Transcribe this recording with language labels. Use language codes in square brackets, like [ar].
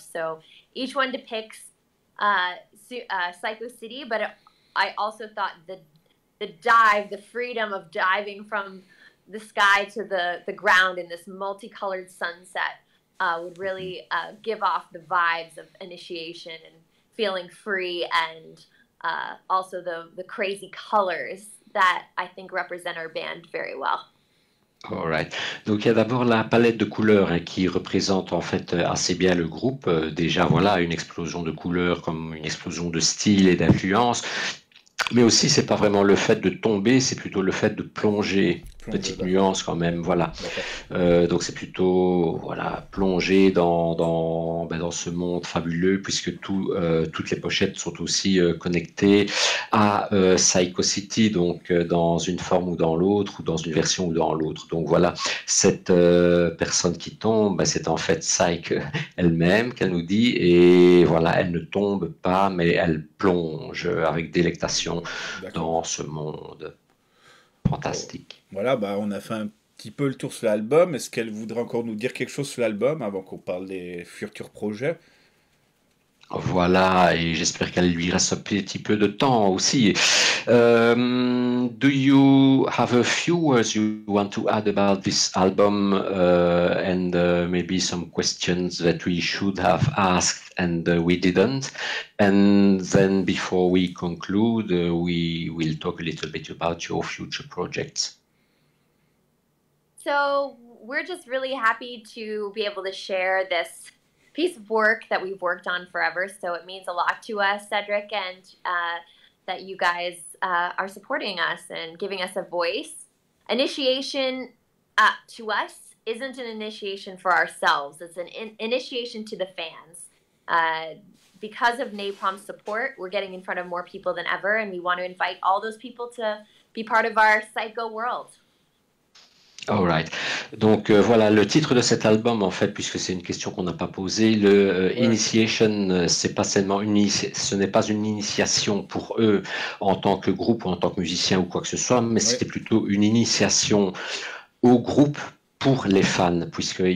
[en] So each one depicts Psycho City, but I also thought the dive, the freedom of diving from the sky to the ground in this multicolored sunset would really give off the vibes of initiation and feeling free, and also the crazy colors that I think represent our band very well. All right. [fr] Donc il y a d'abord la palette de couleurs hein, qui représente en fait assez bien le groupe. Déjà voilà une explosion de couleurs comme une explosion de style et d'influence. Mais aussi c'est pas vraiment le fait de tomber, c'est plutôt le fait de plonger. Plongée, Petite d'accord. nuance quand même, voilà. D'accord. Donc c'est plutôt voilà plonger ben dans ce monde fabuleux puisque toutes les pochettes sont aussi connectées à Psycho City, donc dans une forme ou dans l'autre ou dans une version ou dans l'autre. Donc voilà cette personne qui tombe, ben, c'est en fait Psycho elle-même qu'elle nous dit et voilà elle ne tombe pas mais elle plonge avec délectation D'accord. dans ce monde Bon, fantastique. voilà, bah on a fait un petit peu le tour sur l'album. Est-ce qu'elle voudrait encore nous dire quelque chose sur l'album avant qu'on parle des futurs projets? Voilà, et j'espère qu'elle lui reste un petit peu de temps aussi. [en] Do you have a few words you want to add about this album and maybe some questions that we should have asked and we didn't? And then before we conclude, we will talk a little bit about your future projects. So we're just really happy to be able to share this piece of work that we've worked on forever. So it means a lot to us, Cedric, and that you guys are supporting us and giving us a voice. Initiation to us isn't an initiation for ourselves. It's an in initiation to the fans. Because of Napalm's support, we're getting in front of more people than ever, and we want to invite all those people to be part of our Psycho world. All right. [fr] Donc voilà le titre de cet album en fait, puisque c'est une question qu'on n'a pas posée. Ouais. Initiation, c'est pas seulement ce n'est pas une initiation pour eux en tant que groupe ou en tant que musicien ou quoi que ce soit, mais c'était Ouais. plutôt une initiation au groupe pour les fans, puisqu'ils